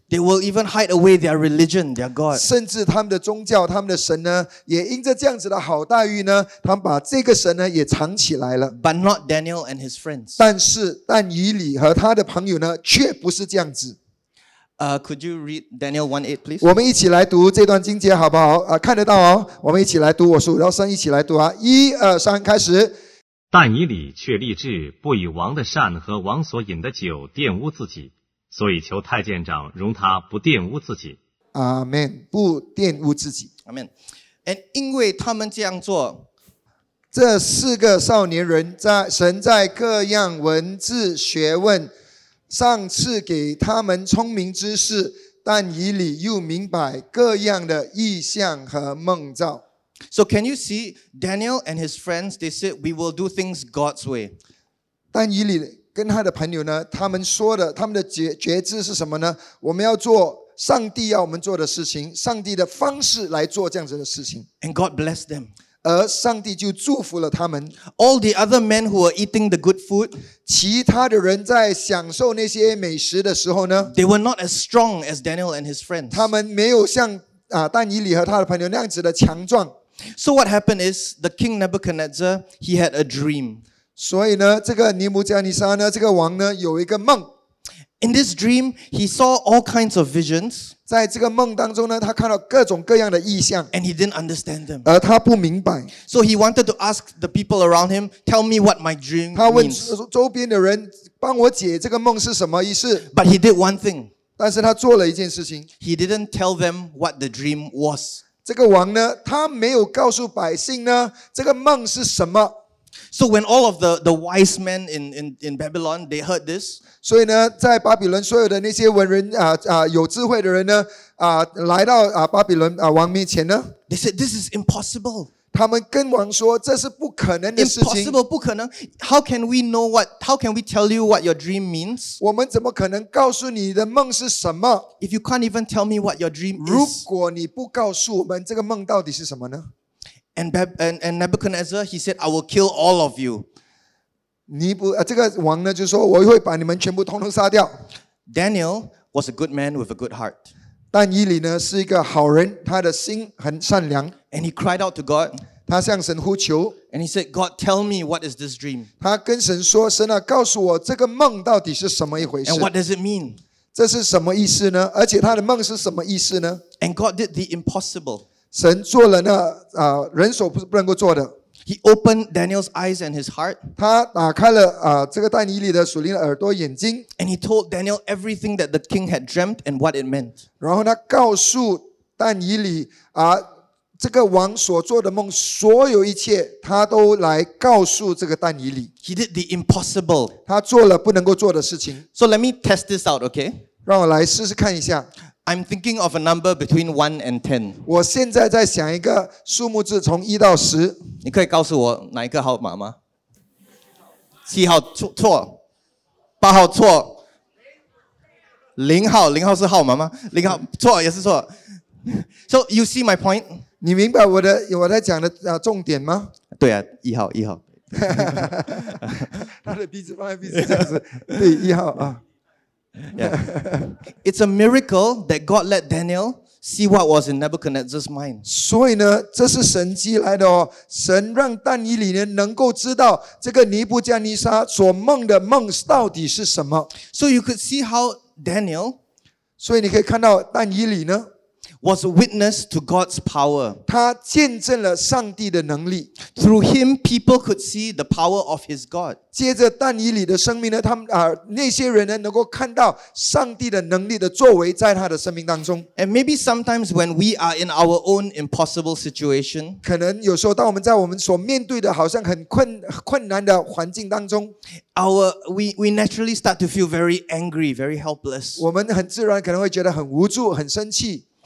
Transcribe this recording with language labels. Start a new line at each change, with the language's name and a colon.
English: They will even hide away their religion, their God.
Chinese: 甚至他们的宗教，他们的神呢，也因着这样子的好待遇呢，他们把这个神呢也藏起来了。
English: But not Daniel and his friends.
Chinese: 但是但以理和他的朋友呢，却不是这样子。
English: Could you read Daniel 1:8, please?
Chinese: 我们一起来读这段经节，好不好？看得到哦。我们一起来读，我数到三，一起来读啊！一、二、三，开始。但以理却立志，不以王的膳和王所饮的酒玷污自己，所以求太监长容他不玷污自己。 Amen， 不玷污自己。 Amen， 因为他们这样做。这四个少年人在神在各样文字学问上赐给他们聪明知识，但以理又明白各样的意象和梦兆。
English: So can you see Daniel and his friends? They said we will do things God's way.
Chinese: 但以理跟他的朋友呢？他们说的他们的觉知是什么呢？我们要做上帝要我们做的事情，上帝的方式来做这样子的事情。
English: And God blessed them.
Chinese: 而上帝就祝福了他们。
English: All the other men who were eating the good food,
Chinese: 其他的人在享受那些美食的时候呢
English: ？They were not as strong as Daniel and his friends.
Chinese: 他们没有像但以理和他的朋友那样子的强壮。
English: So what happened is the king Nebuchadnezzar he had a dream.
Chinese: 所以呢，这个尼布加尼撒呢，这个王呢，有一个梦。
English: In this dream, he saw all kinds of visions.
Chinese: 在这个梦当中呢，他看到各种各样的意象。
English: And he didn't understand them.
Chinese: 而他不明白。
English: So he wanted to ask the people around him, tell me what my dream means.
Chinese: 他问周边的人，帮我解这个梦是什么意思。
English: But he did one thing.
Chinese: 但是他做了一件事情。
English: He didn't tell them what the dream was.
Chinese: 这个王呢，他没有告诉百姓呢，这个梦是什么。
English: So when all of the wise men in Babylon they heard this,
Chinese: 所以呢，在巴比伦所有的那些文人有智慧的人呢来到巴比伦王面前呢
English: ，they said this is impossible.
Chinese: 他们跟王说这是不可能的事情。
English: Impossible,
Chinese: 不可能。
English: How can we know what? How can we tell you what your dream means?
Chinese: 我们怎么可能告诉你的梦是什么
English: ？If you can't even tell me what your dream is,
Chinese: 如果你不告诉我们这个梦到底是什么呢？
English: And Nebuchadnezzar, he said, "I will kill all of you."
Chinese: 这个王呢就说我会把你们全部统统杀掉。
English: Daniel was a good man with a good heart.
Chinese: 但以理呢是一个好人，他的心很善良。
English: And he cried out to God.
Chinese: 他向神呼求。
English: And he said, "God, tell me what is this dream."
Chinese: 他跟神说，神啊，告诉我这个梦到底是什么一回事。
English: And what does it mean?
Chinese: 这是什么意思呢？而且他的梦是什么意思呢
English: ？And God did the impossible.
Chinese: 神做了那人手不能够做的。
English: He opened Daniel's eyes and his heart.
Chinese: 他打开了这个但以理的属灵的耳朵眼睛。
English: And he told Daniel everything that the king had dreamt and what it meant.
Chinese: 然后他告诉但以理这个王所做的梦，所有一切他都来告诉这个但以理。
English: He did the impossible.
Chinese: 他做了不能够做的事情。
English: So let me test this out, okay?
Chinese: 让我来试试看一下。
English: I'm thinking of a number between 1 and 10.
Chinese: 我现在在想一个数目字从1到10。你可以告诉我哪一个号码吗？ 7号错，8号错，0号，0号是号码吗？ 0号错也是错。
English: So you see my point?
Chinese: 你明白我在讲的重点吗？对啊，1号，1号。他的鼻子放在鼻子这样子，对，1号啊。
English: Yeah. It's a miracle that God let Daniel see what was in Nebuchadnezzar's mind.
Chinese: 所以呢，这是神迹来的哦。神让但以理呢能够知道这个尼布加尼撒所梦的梦到底是什么。
English: So you could see how Daniel,
Chinese: 所以你可以看到但以理呢
English: was a witness to God's power.
Chinese: 他见证了上帝的能力。
English: Through him, people could see the power of his God.
Chinese: 接着但以理的生命呢他们那些人呢能够看到上帝的能力的作为在他的生命当中。
English: And maybe sometimes when we are in our own impossible situation,
Chinese: 可能有时候当我们在我们所面对的好像很困难的环境当中
English: we naturally start to feel very angry, very helpless.
Chinese: 我们很自然可能会觉得很无助很生气。